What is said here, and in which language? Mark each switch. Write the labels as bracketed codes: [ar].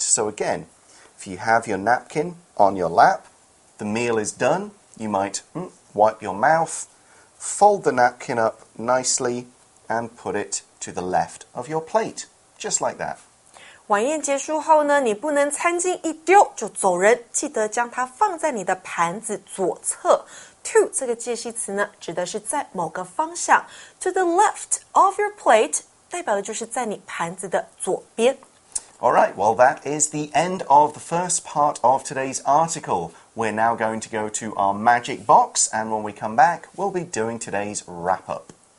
[en] So again, if you have your napkin on your lap, the meal is done, you might wipe your mouth, fold the napkin up nicely, and put it to the left of your plate, just like that. [zh] 晚宴结束后呢，你不能餐巾一丢就走人，记得将它放在你的盘子左侧。 To 这个介系词呢，指的是在某个方向。 [en] To the left of your plate [zh] 代表的就是在你盘子的左边。 [en] All right, well, that is the end of the first part of today's article. We're now going to go to our magic box, and when we come back, we'll be doing today's wrap-up.